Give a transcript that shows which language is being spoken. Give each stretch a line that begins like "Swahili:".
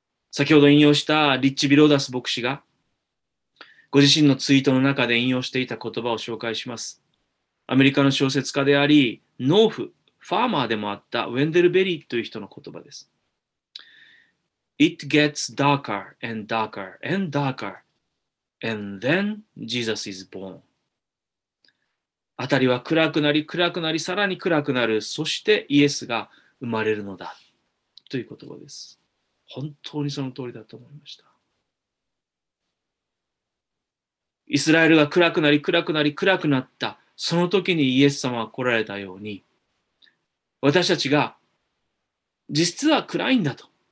Japanese: 先ほど引用したリッチ・ビローダス牧師がご自身のツイートの中で引用していた言葉を紹介します。アメリカの小説家であり、農夫、ファーマーでもあったウェンデル・ベリーという人の言葉です。
English: It gets darker and darker and darker, and then Jesus is born.
Japanese: あたりは暗くなり、暗くなり、さらに暗くなる、そしてイエスが生まれるのだ、という言葉です。本当にその通りだと思いました。イスラエルが暗くなり暗くなり暗くなった、その時にイエス様が来られたように、私たちが実は暗いんだと、